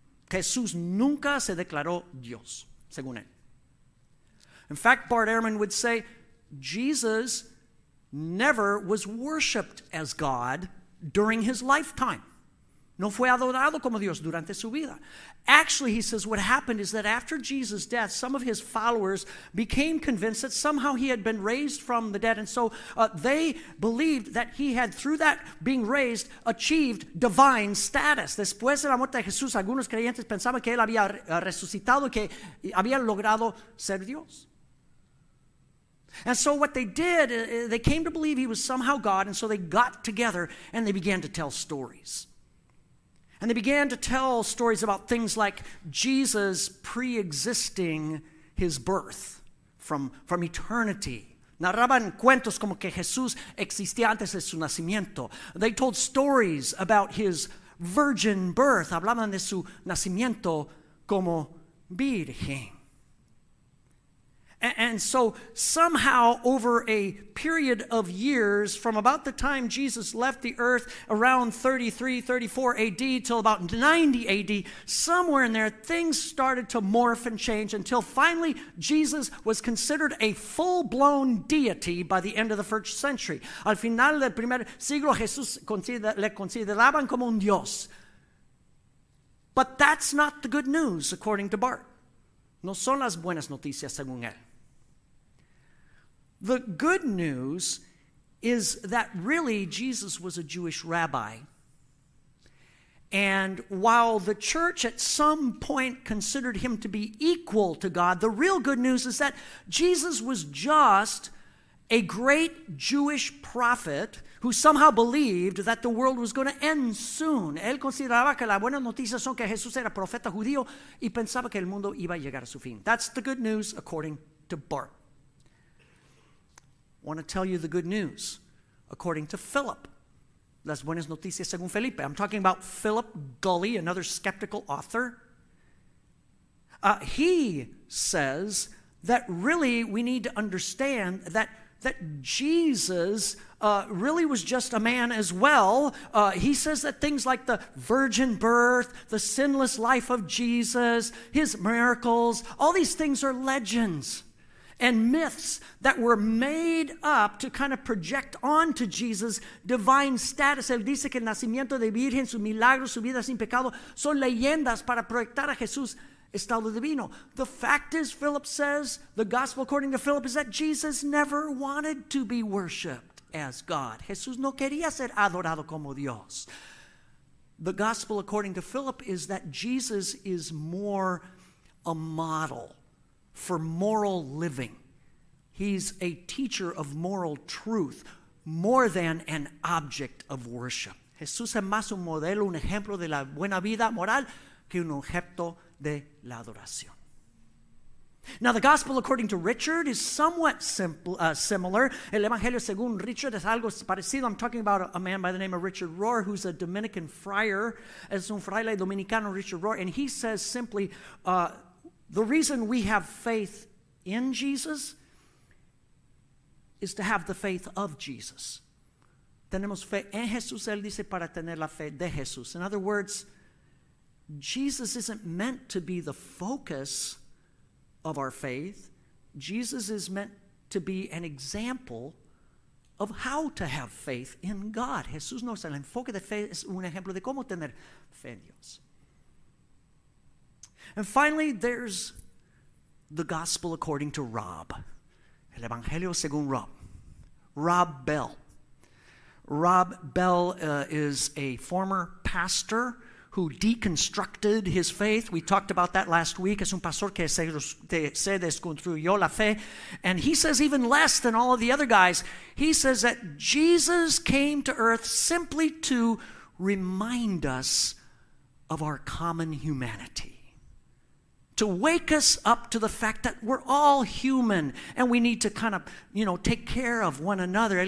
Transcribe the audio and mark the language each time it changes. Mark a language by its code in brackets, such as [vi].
[es] Jesús nunca se declaró Dios, según él. [en] In fact, Bart Ehrman would say, Jesus never was worshipped as God during his lifetime. [es] No fue adorado como Dios durante su vida. [en] Actually, he says, what happened is that after Jesus' death, some of his followers became convinced that somehow he had been raised from the dead. And so they believed that he had, through that being raised, achieved divine status. [es] Después de la muerte de Jesús, algunos creyentes pensaban que él había resucitado, que había logrado ser Dios. [en] And so what they did, they came to believe he was somehow God. And so they got together and they began to tell stories. And they began to tell stories about things like Jesus pre-existing his birth. from eternity. [es] Narraban cuentos como que Jesús existía antes de su nacimiento. [en] They told stories about his virgin birth. [es] Hablaban de su nacimiento como virgen. [en] And so somehow over a period of years from about the time Jesus left the earth around 33, 34 AD till about 90 AD, somewhere in there things started to morph and change until finally Jesus was considered a full-blown deity by the end of the first century. [es] Al final del primer siglo, Jesús le consideraban como un Dios. [en] But that's not the good news, according to Bart. [es] No son las buenas noticias, según él. [en] The good news is that really Jesus was a Jewish rabbi. And while the church at some point considered him to be equal to God, the real good news is that Jesus was just a great Jewish prophet who somehow believed that the world was going to end soon. [es] Él consideraba que las buenas noticias son que Jesús era profeta judío y pensaba que el mundo iba a llegar a su fin. [en] That's the good news according to Bart. I want to tell you the good news according to Philip. [es] Las buenas noticias según Felipe. [en] I'm talking about Philip Gully, another skeptical author. He says that really we need to understand that Jesus really was just a man as well. He says that things like the virgin birth, the sinless life of Jesus, his miracles, all these things are legends and myths that were made up to kind of project onto Jesus' divine status. [es] Él dice que el nacimiento de Virgen, su milagro, su vida sin pecado, son leyendas para proyectar a Jesús' estado divino. [en] The fact is, Philip says, the gospel according to Philip is that Jesus never wanted to be worshipped as God. [es] Jesús no quería ser adorado como Dios. [en] The gospel according to Philip is that Jesus is more a model for moral living. He's a teacher of moral truth more than an object of worship. [es] Jesús es más un modelo, un ejemplo de la buena vida moral que un objeto de la adoración. [en] Now, the gospel according to Richard is somewhat simple, similar. [es] El evangelio según Richard es algo parecido. [en] I'm talking about a man by the name of Richard Rohr, who's a Dominican friar. [es] Es un fraile dominicano, Richard Rohr. [en] And he says simply, the reason we have faith in Jesus is to have the faith of Jesus. [es] Tenemos fe en Jesús, él dice, para tener la fe de Jesús. [en] In other words, Jesus isn't meant to be the focus of our faith. Jesus is meant to be an example of how to have faith in God. [es] Jesús no es el enfoque de fe, es un ejemplo de cómo tener fe en Dios. [en] And finally, there's the gospel according to Rob. [es] El evangelio según Rob. [en] Rob Bell. Rob Bell is a former pastor who deconstructed his faith. We talked about that last week. [es] Es un pastor que se desconstruyó la fe. [en] And he says even less than all of the other guys. He says that Jesus came to earth simply to remind us of our common humanity. To wake us up to the fact that we're all human and we need to kind of, you know, take care of one another.